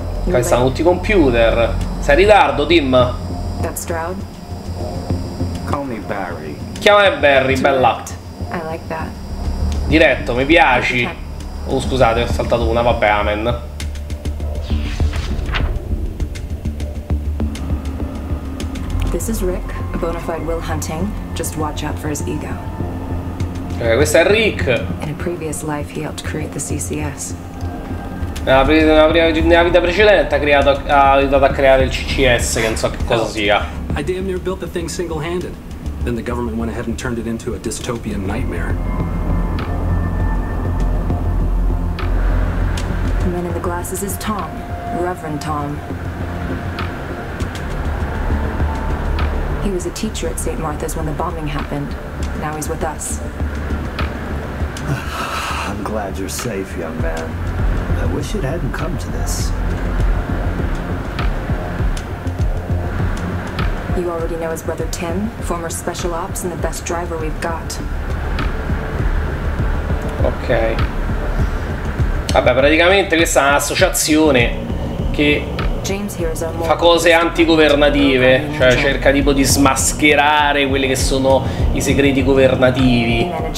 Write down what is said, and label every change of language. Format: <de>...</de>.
<it>Qua ci stanno tutti i computer. Sei in ritardo, Tim.</it> <en>That's Stroud. Call me Barry.</en> <it>Chiamami Barry, bella.</it> <en>I like that.</en> <it>Diretto, mi piaci. Oh, scusate, ho saltato una, vabbè, amen.</it> <en>This is Rick, a bona fide Will Hunting. Just watch out for his ego.</en> <it>Okay, questo è Rick.</it> <en>In a previous life he helped create the CCS.</en> <it>Nella vita precedente ha aiutato a creare il CCS, che non so che cosa sia.</it> <en>I damn near built the thing single-handed. Then the government went ahead and turned it into a dystopian nightmare. The man in the glasses is Tom, Reverend Tom. He was a teacher at St. Martha's when the bombing happened. Now he's with us. I'm glad you're safe, young man. I wish it hadn't come to this. You already know his brother Tim, former special ops and the best driver we've got. Okay.</en> <it>Vabbè, praticamente questa è un'associazione che fa cose antigovernative, cioè cerca tipo di smascherare quelli che sono i segreti governativi.</it>